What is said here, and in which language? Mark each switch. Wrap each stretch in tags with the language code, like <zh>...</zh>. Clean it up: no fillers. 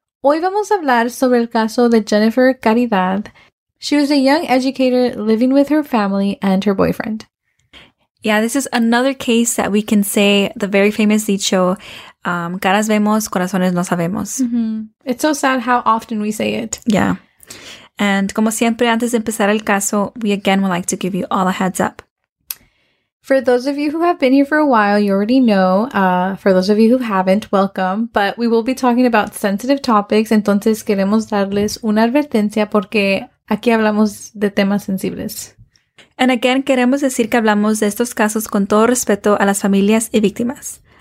<es>Hoy vamos a hablar sobre el caso de Jennifer Caridad.</es> <en>She was a young educator living with her family and her boyfriend. Yeah, this is another case that we can say the very famous dicho,</en> <es>caras vemos, corazones no sabemos. Mm-hmm.</es> <en>It's so sad how often we say it. Yeah. And</en> <es>como siempre, antes de empezar el caso,</es> <en>we again would like to give you all a heads up. For those of you who have been here for a while, you already know. For those of you who haven't, welcome. But we will be talking about sensitive topics.</en> <es>Entonces, queremos darles una advertencia porque aquí hablamos de temas sensibles.</es> <en>And again,</en> <es>queremos decir que hablamos de estos casos con todo respeto a las familias y víctimas.</es>